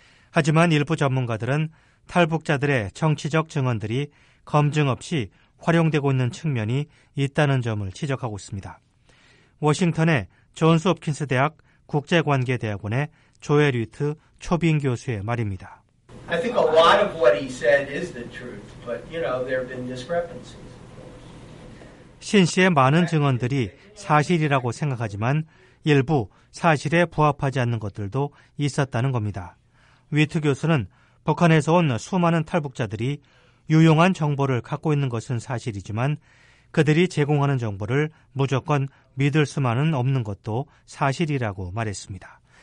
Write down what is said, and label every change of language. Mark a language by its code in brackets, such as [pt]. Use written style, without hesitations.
[ko] 하지만 일부 전문가들은 탈북자들의 정치적 증언들이 검증 없이 활용되고 있는 측면이 있다는 점을 지적하고 있습니다. 워싱턴의 존스 홉킨스 대학 국제관계대학원의 조엘 위트 초빙 교수의 말입니다. [en] I think a lot of what he said is the truth, but you know, there have been discrepancies. [ko] 신 씨의 많은 증언들이 사실이라고 생각하지만 일부 사실에 부합하지 않는 것들도 있었다는 겁니다. 위트 교수는 북한에서 온 수많은 탈북자들이 유용한 정보를 갖고 있는 것은 사실이지만 그들이 제공하는 정보를 무조건 믿을 수만은 없는 것도 사실이라고 말했습니다.